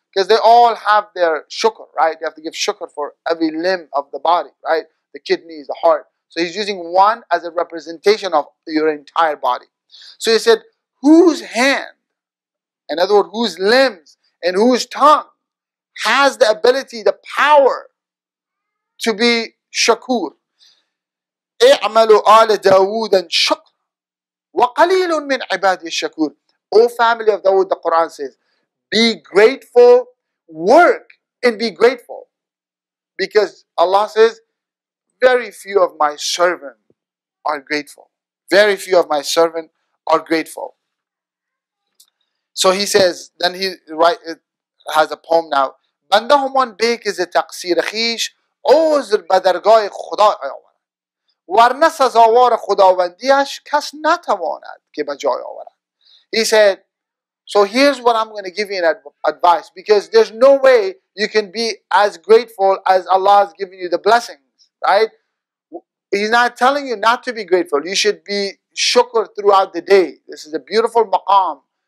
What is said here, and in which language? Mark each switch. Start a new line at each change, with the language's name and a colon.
English: Because they all have their shukr, right? They have to give shukr for every limb of the body, right? The kidneys, the heart. So he's using one as a representation of your entire body. So he said, whose hand, in other words, whose limbs and whose tongue has the ability, the power to be shakur?
Arabic: اعملوا آل داوود شكر وقليل من عباد الشكور.
English: O family of Dawood, the Quran says, be grateful, work and be grateful. Because Allah says, very few of my servants are grateful. Very few of my servants are grateful. So he says, then he has a poem now.
Persian: بندهمان بیک از تقصیر خیش عذر بدرگاه خدا ورنه سزاوار خداوندیش کس نتواند که بجای آورد.
English: He said, so here's what I'm going to give you an advice, because there's no way you can be as grateful as Allah has given you the blessings, right? He's not telling you not to be grateful. You should be shukr throughout the day. This is a beautiful maqam.